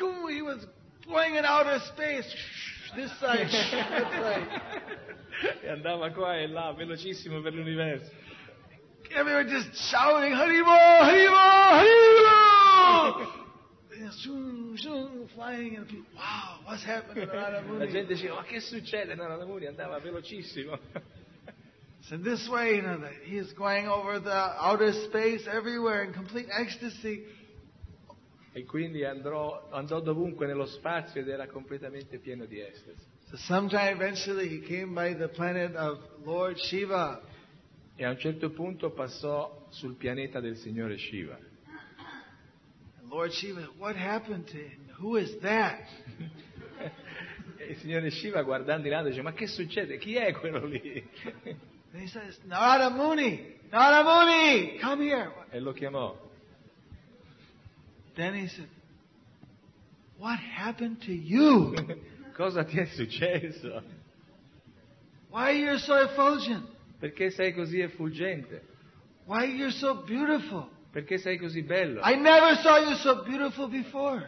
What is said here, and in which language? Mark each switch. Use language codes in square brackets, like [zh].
[en] He was going in outer space. This side, this side. [it] E andava qua e là, velocissimo per l'universo. [en] Everyone just shouting, Haribo, Haribo, Haribo! Zoom, zoom, flying, and people, wow, what's happening to Radhamuni? [it] La gente diceva, ma che succede? No, Radhamuni andava velocissimo. [en] So this way, you know, that he is going over the outer space everywhere in complete ecstasy. [it] E quindi andò dovunque nello spazio ed era completamente pieno di estasi. [en] So sometime eventually he came by the planet of Lord Shiva. [it] E a un certo punto passò sul pianeta del Signore Shiva. [en] And Lord Shiva, what happened to him? Who is that? [it] E il Signore Shiva, guardando in alto, dice, ma che succede? Chi è quello lì? [en] And he says, Narada Muni, Narada Muni, come here. [it] E lo chiamò. [en] Then he said, what happened to you? [it] Cosa ti è successo? [en] Why are you so effulgent? [it] Perché sei così effulgente? [en] Why are you so beautiful? [it] Perché sei così bello? [en] I never saw you so beautiful before.